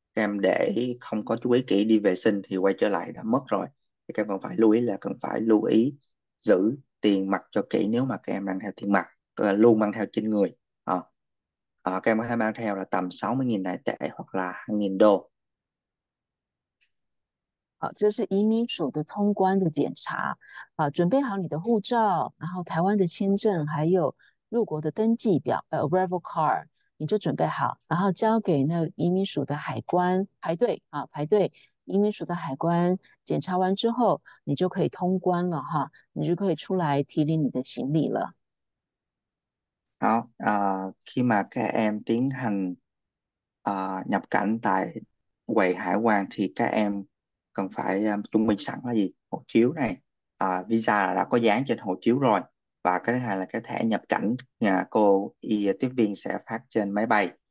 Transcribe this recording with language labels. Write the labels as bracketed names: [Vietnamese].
[Vietnamese] em để không có chú ý kỹ đi vệ sinh thì quay trở lại đã mất rồi. Thì các em cần phải lưu ý là cần phải lưu ý giữ tiền mặt cho kỹ nếu mà các em mang theo tiền mặt, luôn mang theo trên người. Các em có thể mang theo là tầm 60.000 đại tệ hoặc là 2.000 đô. [Chinese] 好，这是移民署的通关的检查。啊，准备好你的护照，然后台湾的签证，还有入国的登记表， [English] arrival card， [Chinese] 你就准备好，然后交给那移民署的海关排队啊，排队。移民署的海关检查完之后，你就可以通关了哈，你就可以出来提领你的行李了。 [Vietnamese] Đó, khi mà các em tiến hành nhập cảnh tại quầy hải quan thì các em cần phải chuẩn bị sẵn là gì? Hộ chiếu này, visa đã có dán trên hộ chiếu rồi. Và cái thứ hai là cái thẻ nhập cảnh nhà cô y tiếp viên sẽ phát trên máy bay.